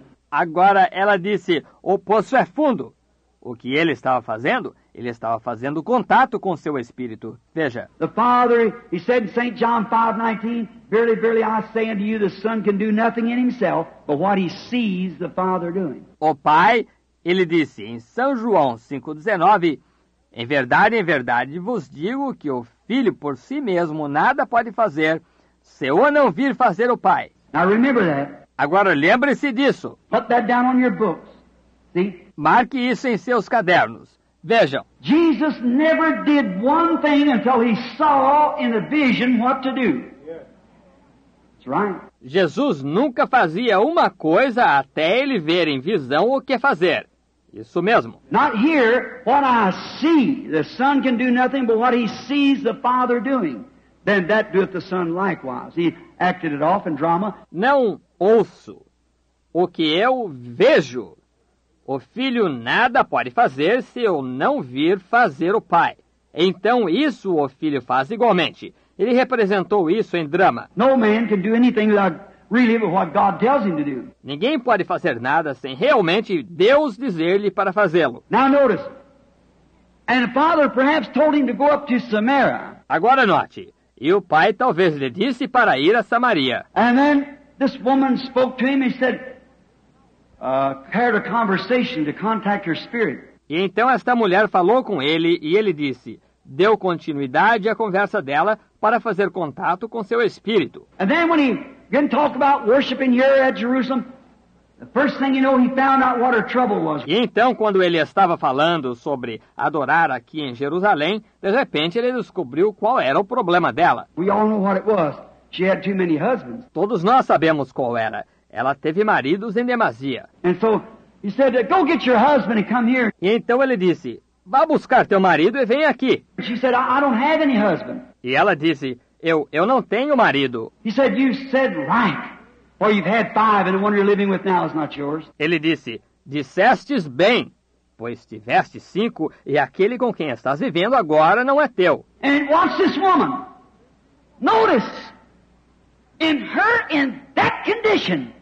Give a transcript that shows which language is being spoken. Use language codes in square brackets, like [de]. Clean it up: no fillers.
[pt] Agora, ela disse, o poço é fundo. O que ele estava fazendo? Ele estava fazendo contato com seu espírito. Veja. [en] The Father, he said in St. John 5:19, verily, verily, I say unto you, the Son can do nothing in himself, but what he sees the Father doing. [pt] O Pai, ele disse em São João 5:19, em verdade, vos digo que o Filho por si mesmo nada pode fazer, se o não vir fazer o Pai. [en] Now remember that. [pt] Agora lembre-se disso. [en] Put that down on your books. See? [pt] Marque isso em seus cadernos. Vejam. [en] Jesus never did one thing until he saw in a vision what to do. Yeah. That's right. [pt] Jesus nunca fazia uma coisa até ele ver em visão o que fazer. Isso mesmo. [en] Not here, what I see. The Son can do nothing but what he sees the Father doing. Then that doeth the Son likewise. He acted it off in drama. [pt] Não ouço o que eu vejo. O Filho nada pode fazer se eu não vir fazer o Pai. Então isso o Filho faz igualmente. Ele representou isso em drama. [en] No man can do anything without really what God tells him to do. [pt] Ninguém pode fazer nada sem realmente Deus dizer-lhe para fazê-lo. [en] Now notice. And the Father perhaps told him to go up to Samaria. [pt] Agora note. E o Pai talvez lhe disse para ir a Samaria. [en] And then this woman spoke to him and said, a conversation to contact your spirit. [pt] E então esta mulher falou com ele e ele disse, deu continuidade à conversa dela para fazer contato com seu espírito. [en] And then when he began to talk about worshiping here at Jerusalem, the first thing you know, he found out what her trouble was. [pt] E então quando ele estava falando sobre adorar aqui em Jerusalém, de repente ele descobriu qual era o problema dela. [en] We all know what it was. She had too many husbands. [pt] Todos nós sabemos qual era. Ela teve maridos em demasia. [en] And so he said, go get your husband and come here. [pt] E então ele disse, vá buscar teu marido e vem aqui. [en] She said, I don't have any husband. [pt] E ela disse, eu não tenho marido. [en] He said, you said right, or you've had five and the one you're living with now is not yours. [pt] Ele disse, dissestes bem, pois tiveste cinco e aquele com quem estás vivendo agora não é teu. [en] And watch this woman. Notice. In her, in that condition.